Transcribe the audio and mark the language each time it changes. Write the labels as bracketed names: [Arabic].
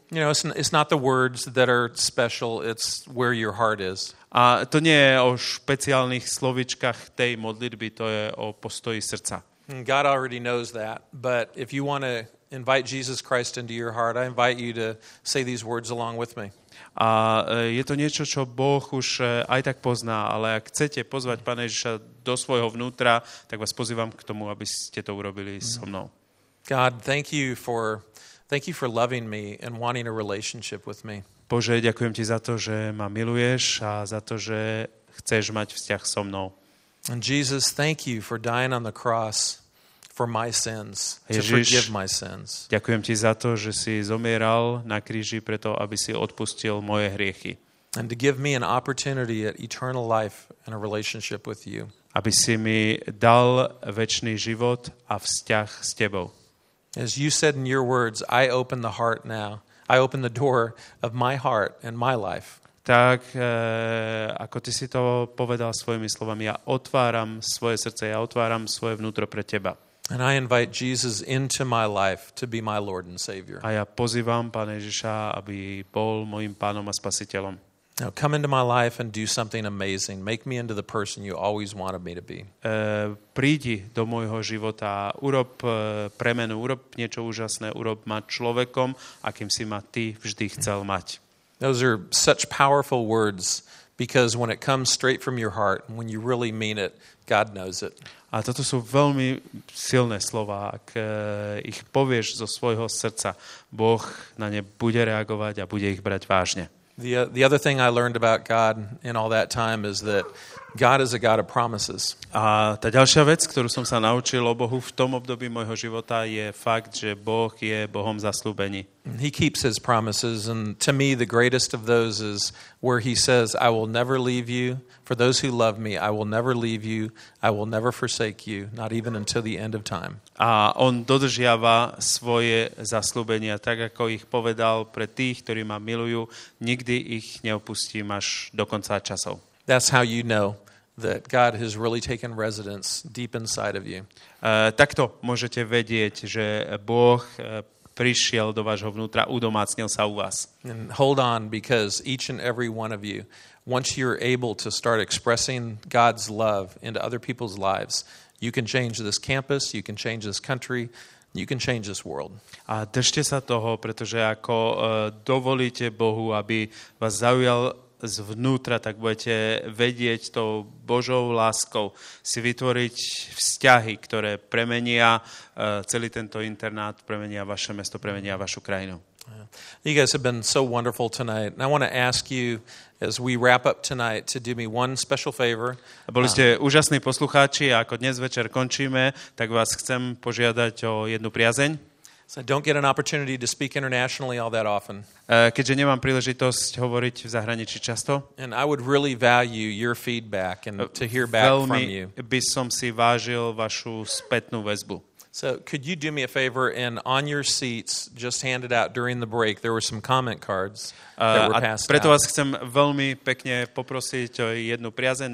[English] You know, it's not the words that are special, it's where your heart is. [Slovak] A to nie je o špeciálnych slovíčkach tej modlitby, to je o postoji srdca. [English] God already knows that, but if you want to invite Jesus Christ into your heart, I invite you to say these words along with me. [Slovak] A je to niečo, čo Boh už aj tak pozná, ale ak chcete pozvať Pána Ježiša do svojho vnútra, tak vás pozývam k tomu, aby ste to urobili so mnou. [English] God, thank you for loving me and wanting a relationship with me. [Slovak] Bože, ďakujem ti za to, že ma miluješ a za to, že chceš mať vzťah so mnou. [English] And Jesus, thank you for dying on the cross for my sins, Ježiš, to forgive my sins. [Slovak] Ďakujem ti za to, že si zomieral na kríži preto, aby si odpustil moje hriechy. [English] And to give me an opportunity at eternal life and a relationship with you. [Slovak] Aby si mi dal večný život a vzťah s tebou. [English] As you said in your words, I open the heart now. I open the door of my heart and my life. [Slovak] Tak, ako ty si to povedal svojimi slovami, ja otváram svoje srdce, ja otváram svoje vnútro pre teba. [English] And I invite Jesus into my life to be my Lord and Savior. [Slovak] A ja pozývam Pána Ježiša, aby bol mojím pánom a spasiteľom. [English] Now come into my life and do something amazing. Make me into the person you always wanted me to be. [Slovak] Prídi do môjho života, urob premenu, urob niečo úžasné, urob ma človekom, akým si ma ty vždy chcel mať. [English] Those are such powerful words, because when it comes straight from your heart, when you really mean it, God knows it. [Slovak] A toto sú veľmi silné slová. Ak ich povieš zo svojho srdca, Boh na ne bude reagovať a bude ich brať vážne. [English] The other thing I learned about God in all that time is that God is a God of promises. [Slovak] A tá ďalšia vec, ktorú som sa naučil o Bohu v tom období môjho života, je fakt, že Boh je Bohom zaslúbení. [English] He keeps his promises, and to me the greatest of those is where he says, I will never leave you. For those who love me, I will never leave you. I will never forsake you, not even until the end of time. [Slovak] A on dodržiava svoje zasľúbenia, tak ako ich povedal pre tých, ktorí ma milujú, nikdy ich neopustím až do konca časov. [English] That's how you know that God has really taken residence deep inside of you. [Slovak] Takto môžete vedieť, že Boh prišiel do vášho vnútra, udomácnil sa u vás. [English] And hold on, because each and every one of you, once you're able to start expressing God's love into other people's lives, you can change this campus, you can change this country, you can change this world. [Slovak] A držte sa toho, pretože ako dovolíte Bohu, aby vás zaujal zvnútra, tak budete vedieť tou Božou láskou si vytvoriť vzťahy, ktoré premenia celý tento internát, premenia vaše mesto, premenia vašu krajinu. [English] You guys have been so wonderful tonight. And I want to ask you, as we wrap up tonight, to do me one special favor. [Slovak] Boli ste úžasní poslucháči, a ako dnes večer končíme, tak vás chcem požiadať o jednu priazeň. [English] So I don't get an opportunity to speak internationally all that often. [Slovak] Keďže nemám príležitosť hovoriť v zahraničí často. [English] And I would really value your feedback and to hear back from you. [Slovak] Veľmi by som si vážil vašu spätnú väzbu. [English] So could you do me a favor and on your seats just hand it out during the break? There were some comment cards that were passed. [Slovak] Preto vás chcem veľmi pekne poprosiť o jednu priazeň.